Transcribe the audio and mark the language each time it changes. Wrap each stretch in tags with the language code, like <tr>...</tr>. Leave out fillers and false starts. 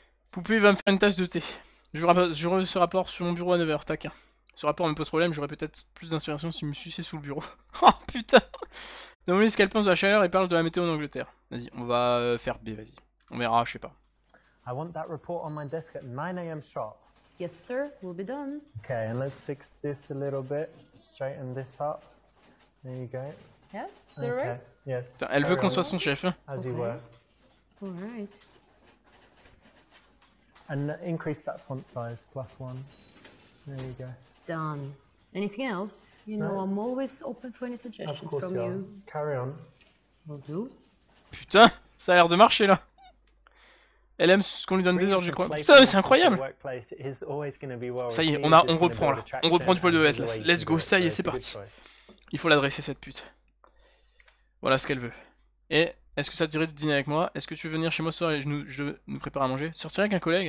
<fr>Poupée va me faire une tasse de thé. Je ce rapport sur mon bureau à 9h, tac. Ce rapport me pose problème, j'aurais peut-être plus d'inspiration si me suçais sous le bureau. Oh putain! Demandez ce qu'elle pense de la chaleur et parle de la météo en Angleterre. Vas-y, on va faire B, vas-y. On verra, je sais pas.</fr> <en>I want that report on my desk at 9 a.m. sharp. Yes sir, we'll be done. Okay, and let's fix this a little bit. Straighten this up. There you go. Yeah? Okay. Yes.</en> <fr>Elle veut qu'on soit son chef.</fr> <en>As you were. All right. And increase that font size, plus one. There you go. Done. Anything else? You know, I'm always open for any suggestions from you. Carry on. Will do.</en> <fr>Putain, ça a l'air de marcher là. Elle aime ce qu'on lui donne des ordres, je crois. Putain, mais c'est incroyable! Ça y est, on reprend là. On reprend du poil de bête là.</fr> <en>Let's go,</en> <fr>ça y est, c'est parti. Il faut l'adresser cette pute. Voilà ce qu'elle veut. Et est-ce que ça te dirait de dîner avec moi? Est-ce que tu veux venir chez moi ce soir et je nous prépare à manger? Sortir avec un collègue?</fr>